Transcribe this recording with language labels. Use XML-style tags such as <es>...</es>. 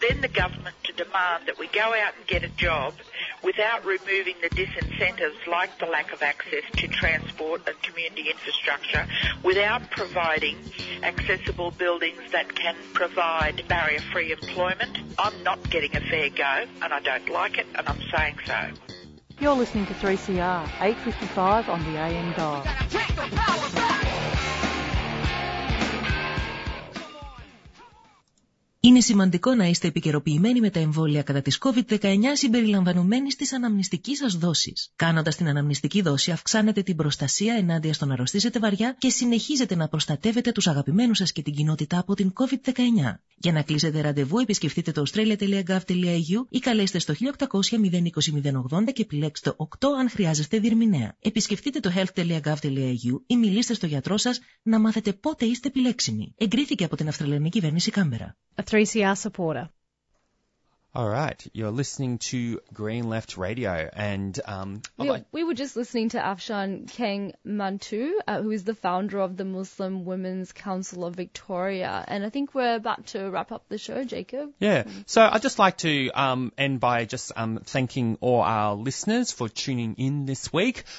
<en>Then the government to demand that we go out and get a job without removing the disincentives like the lack of access to transport and community infrastructure, without providing accessible buildings that can provide barrier-free employment. I'm not getting a fair go, and I don't like it, and I'm saying so. You're listening to 3CR, 855 on the AM dial.</en> <el>Είναι σημαντικό να είστε επικαιροποιημένοι με τα εμβόλια κατά της COVID-19 συμπεριλαμβανομένης της αναμνηστικής σας δόσης. Κάνοντας την αναμνηστική δόση, αυξάνετε την προστασία ενάντια στο να αρρωστήσετε βαριά και συνεχίζετε να προστατεύετε τους αγαπημένους σας και την κοινότητα από την COVID-19. Για να κλείσετε ραντεβού, επισκεφτείτε το australia.gov.au ή καλέστε στο 1800-020-080 και επιλέξτε 8 αν χρειάζεστε διερμηνέα. Επισκεφτείτε το health.gov.au ή μιλήστε στο γιατρό σας να μάθετε πότε είστε επιλέξιμοι. Εγκρίθηκε από την Αυστραλιανή κυβέρνηση Κάμπερα.</el> <en>A 3CR supporter. All right, you're listening to Green Left Radio, and we were just listening to Afshan Keng Mantu, who is the founder of the Muslim Women's Council of Victoria, and I think we're about to wrap up the show, Jacob. Yeah, so I'd just like to end by just thanking all our listeners for tuning in this week.</en>